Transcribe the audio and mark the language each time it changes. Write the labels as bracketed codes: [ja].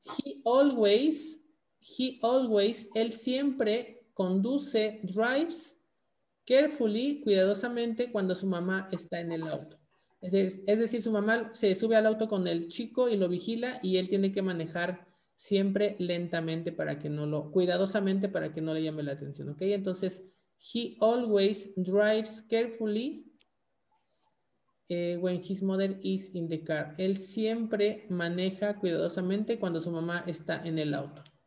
[en] He always, [es] él siempre conduce, [en] drives carefully, [es] cuidadosamente, cuando su mamá está en el auto. Es decir, su mamá se sube al auto con el chico y lo vigila y él tiene que manejar siempre lentamente para que no lo, cuidadosamente para que no le llame la atención, ¿ok? Entonces, [en] he always drives carefully when his mother is in the car. [es] Él siempre maneja cuidadosamente cuando su mamá está en el auto.